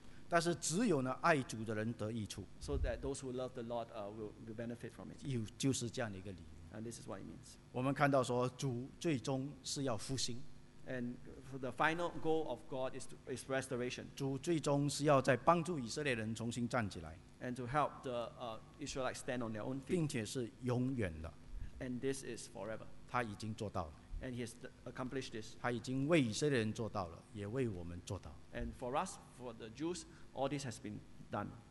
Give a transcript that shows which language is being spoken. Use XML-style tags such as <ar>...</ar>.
<zh>但是只有呢爱主的人得益处。</zh> <en>So that those who love the Lord will benefit from it.</en> <zh>就是这样的一个理由。</zh> <en>And this is what it means.</en> <zh>我们看到说主最终是要复兴。</zh> <en>And the final goal of God is restoration.</en> <zh>主最终是要再帮助以色列人重新站起来。</zh> <en>And to help the Israelites stand on their own feet.</en> <zh>并且是永远的。</zh> <en>And this is forever.</en> <zh>他已经做到了。</zh> <en>And he has accomplished this.</en> <zh>他已经为以色列人做到了，也为我们做到。</zh> <en>And for us, for the Jews, all this has been done.</en>